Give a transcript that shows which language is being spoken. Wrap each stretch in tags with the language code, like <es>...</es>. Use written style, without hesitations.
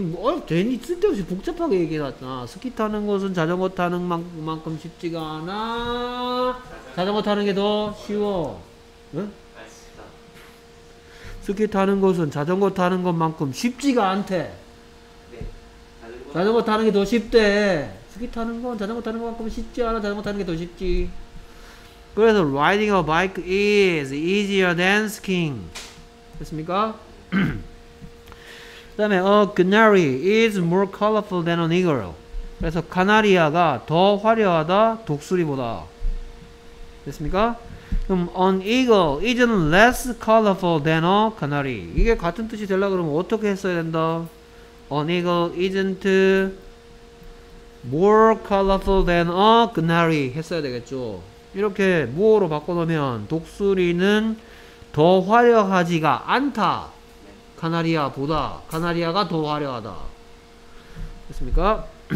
<ko>뭐 괜히 쓸데없이 복잡하게 얘기해놨잖아. 스키 타는 것은 자전거 타는 만큼 쉽지가 않아. 자전거 타는 게 더 쉬워. 응? 스키 타는 것은 자전거 타는 것만큼 쉽지가 않대. 자전거 타는 게 더 쉽대. 스키 타는 건 자전거 타는 것만큼 쉽지 않아. 자전거 타는 게 더 쉽지. 그래서</ko> <en>riding a bike is easier than skiing.</en> <ko>됐습니까? 그 다음에</ko> <en>A canary is more colorful than an eagle.</en> <ko>그래서 카나리아가 더 화려하다 독수리보다. 됐습니까? 그럼</ko> <en>An eagle isn't less colorful than a canary.</en> <ko>이게 같은 뜻이 되려고 그러면 어떻게 했어야 된다?</ko> <en>An eagle isn't more colorful than a canary</en> <ko>했어야 되겠죠. 이렇게 more로 바꿔놓으면 독수리는 더 화려하지가 않다. 카나리아 보다. 카나리아가 더 화려하다. 됐습니까?</ko>